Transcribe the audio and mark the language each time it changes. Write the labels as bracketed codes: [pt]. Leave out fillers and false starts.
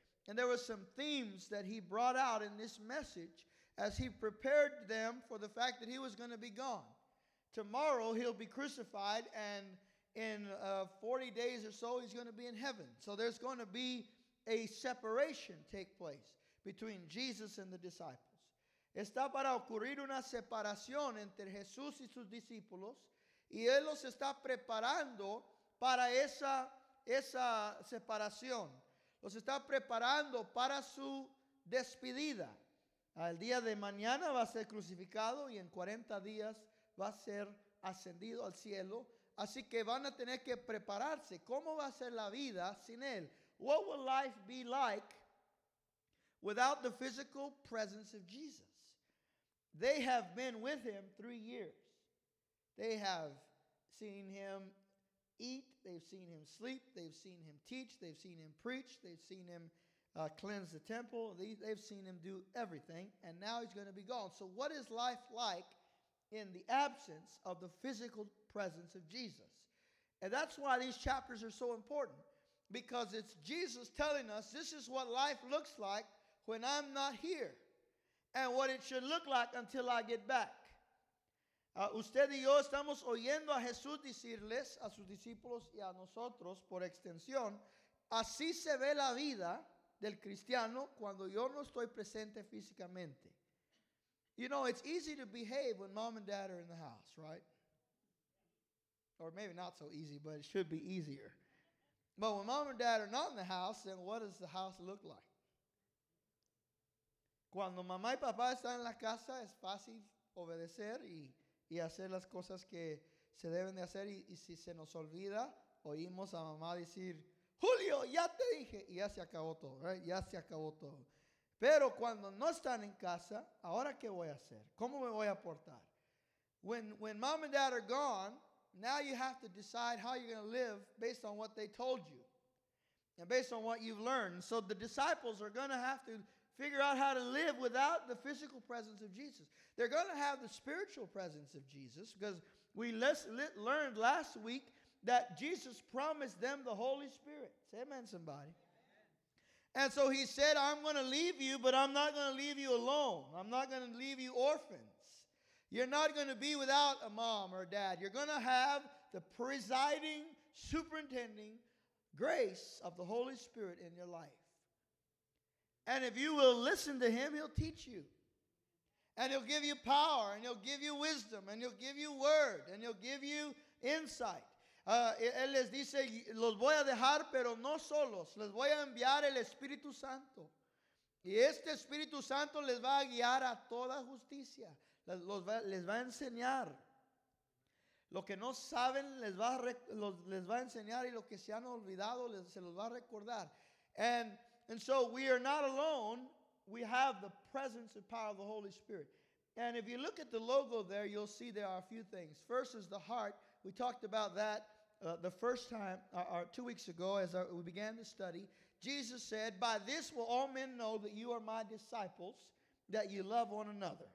[en] And there were some themes that he brought out in this message as he prepared them for the fact that he was going to be gone. Tomorrow he'll be crucified, and in 40 days or so he's going to be in heaven. So there's going to be a separation take place between Jesus and the disciples. [es] Está para ocurrir una separación entre Jesús y sus discípulos, y él los está preparando para esa separación. Los está preparando para su despedida. El día de mañana va a ser crucificado y en 40 días va a ser ascendido al cielo. Así que van a tener que prepararse. ¿Cómo va a ser la vida sin él? [en] What will life be like without the physical presence of Jesus? They have been with him 3 years. They have seen him eat, they've seen him sleep, they've seen him teach, they've seen him preach, they've seen him cleanse the temple, they've seen him do everything, and now he's going to be gone. So what is life like in the absence of the physical presence of Jesus? And that's why these chapters are so important, because it's Jesus telling us this is what life looks like when I'm not here, and what it should look like until I get back. [es] Usted y yo estamos oyendo a Jesús decirles a sus discípulos y a nosotros por extensión, así se ve la vida del cristiano cuando yo no estoy presente físicamente. [en] You know, it's easy to behave when mom and dad are in the house, right? Or maybe not so easy, but it should be easier. But when mom and dad are not in the house, then what does the house look like? [es] Cuando mamá y papá están en la casa, es fácil obedecer y hacer las cosas que se deben de hacer, y si se nos olvida, oímos a mamá decir, Julio, ya te dije, y ya se acabó todo, [en] right? [es] Ya se acabó todo. Pero cuando no están en casa, ¿ahora qué voy a hacer? ¿Cómo me voy a portar? [en] When mom and dad are gone, now you have to decide how you're going to live based on what they told you, and based on what you've learned. So the disciples are going to have to figure out how to live without the physical presence of Jesus. They're going to have the spiritual presence of Jesus, because we learned last week that Jesus promised them the Holy Spirit. Say amen, somebody. And so he said, I'm going to leave you, but I'm not going to leave you alone. I'm not going to leave you orphans. You're not going to be without a mom or a dad. You're going to have the presiding, superintending, grace of the Holy Spirit in your life. And if you will listen to him, he'll teach you. And he'll give you power, and he'll give you wisdom, and he'll give you word, and he'll give you insight. [es] Él les dice, los voy a dejar, pero no solos. Les voy a enviar el Espíritu Santo. Y este Espíritu Santo les va a guiar a toda justicia. Les va a enseñar. Lo que no saben, les va a enseñar. Y lo que se han olvidado, se los va a recordar. [en] And so we are not alone. We have the presence and power of the Holy Spirit. And if you look at the logo there, you'll see there are a few things. First is the heart. We talked about that the first time, or 2 weeks ago, we began the study. Jesus said, by this will all men know that you are my disciples, that you love one another.